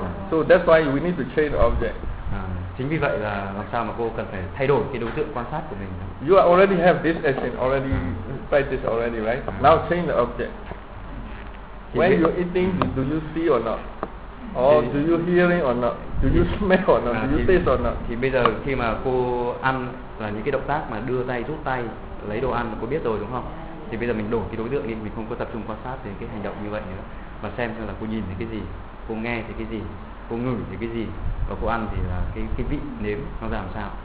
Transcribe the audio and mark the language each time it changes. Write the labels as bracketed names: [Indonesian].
[English] So that's why we need to change object. [Vietnamese] Chính vì vậy là làm sao mà cô cần phải thay đổi cái đối tượng quan sát của mình. [English] You already have this action, already practice already, right? Now change the object. When you're eating, do you see or not? Oh, do you hearing or not? Do you smell or not? Do you taste or not? [Vietnamese] Thì bây giờ khi mà cô ăn là những cái động tác mà đưa tay, rút tay, lấy đồ ăn, cô biết rồi đúng không? Thì bây giờ mình đổi cái đối tượng đi, mình không có tập trung quan sát thì cái hành động như vậy nữa, mà xem là cô nhìn thấy cái gì, cô nghe thấy cái gì, cô ngửi thấy cái gì, và cô ăn thì là cái vị nếm nó làm sao?